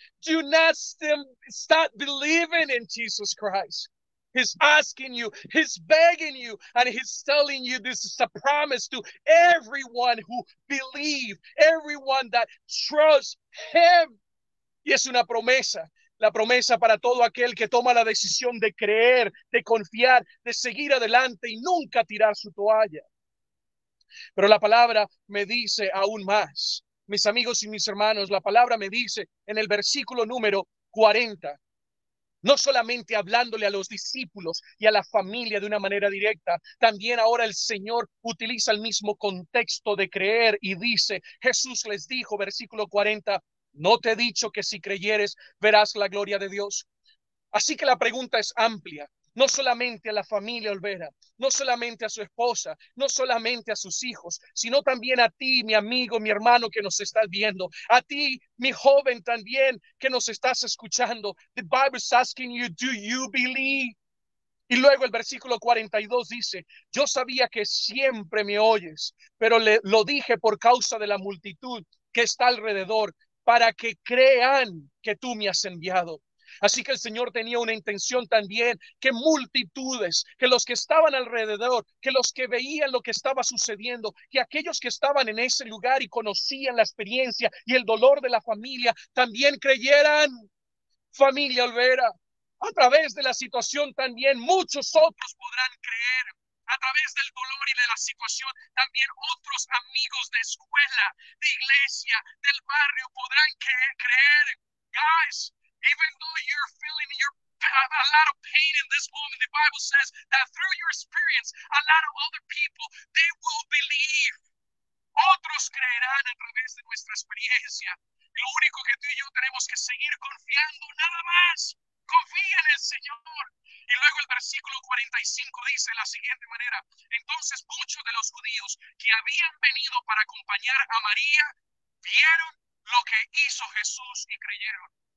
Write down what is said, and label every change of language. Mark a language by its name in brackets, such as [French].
[English] Do not stop believing in Jesus Christ. He's asking you, He's begging you, and He's telling you this is a promise to everyone who believes, everyone that trusts Him. [Spanish] Y es una promesa. La promesa para todo aquel que toma la decisión de creer, de confiar, de seguir adelante y nunca tirar su toalla. Pero la palabra me dice aún más, mis amigos y mis hermanos, la palabra me dice en el versículo número 40, no solamente hablándole a los discípulos y a la familia de una manera directa, también ahora el Señor utiliza el mismo contexto de creer y dice, Jesús les dijo, versículo 40, no te he dicho que si creyeres verás la gloria de Dios. Así que la pregunta es amplia. No solamente a la familia Olvera, no solamente a su esposa, no solamente a sus hijos, sino también a ti, mi amigo, mi hermano que nos estás viendo. A ti, mi joven también que nos estás escuchando. [English] The Bible is asking you, do you believe? [Spanish] Y luego el versículo 42 dice, yo sabía que siempre me oyes, pero lo dije por causa de la multitud que está alrededor, para que crean que tú me has enviado. Así que el Señor tenía una intención también, que multitudes, que los que estaban alrededor, que los que veían lo que estaba sucediendo, que aquellos que estaban en ese lugar y conocían la experiencia y el dolor de la familia, también creyeran. Familia Olvera, a través de la situación también, muchos otros podrán creer. a través del dolor y de la situación, también otros amigos de escuela, de iglesia, del barrio podrán creer. [English] Guys, even though you're feeling a lot of pain in this moment, the Bible says that through your experience, a lot of other people, they will believe. [Spanish] Otros creerán a través de nuestra experiencia. Lo único que tú y yo tenemos que seguir confiando, nada más. Confía en el Señor. Y luego el versículo 45 dice de la siguiente manera: entonces muchos de los judíos que habían venido para acompañar a María vieron lo que hizo Jesús y creyeron.